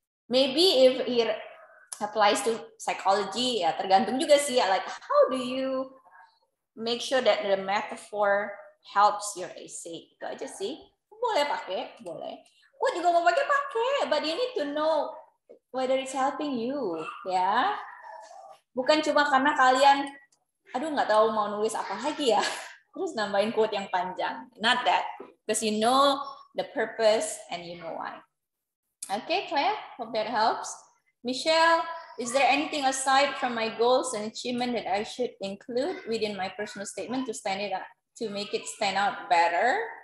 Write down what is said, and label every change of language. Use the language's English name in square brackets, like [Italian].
[English] Maybe if he applies to psychology, [Indonesian] ya tergantung juga sih. Ya. [English] Like, how do you make sure that the metaphor helps your essay? [Indonesian] Itu aja sih. Boleh pakai, boleh. Gue juga mau pakai, pakai. [English] But you need to know whether it's helping you, ya. [Indonesian] Bukan cuma karena kalian, aduh nggak tahu mau nulis apa lagi ya. Terus nambahin quote yang panjang. [English] Not that. Because you know the purpose and you know why. Okay, Claire, hope that helps. Michelle, is there anything aside from my goals and achievement that I should include within my personal statement to stand it up, to make it stand out better?